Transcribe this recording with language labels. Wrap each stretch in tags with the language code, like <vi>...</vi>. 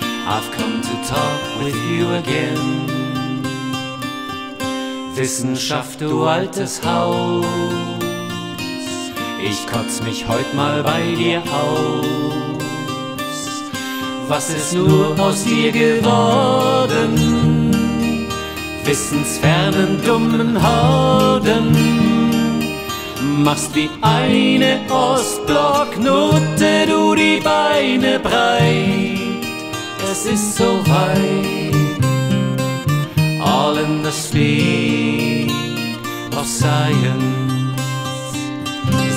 <en>I've come to talk with you again.</en> <de>Wissenschaft, du altes Haus, ich kotz mich heut mal bei dir aus. Was ist nur aus dir geworden? Wissensfernen, dummen Horden, machst wie eine Ostblocknote du die Beine breit. Es ist so weit.</de> <en>All in the speed of science.</en>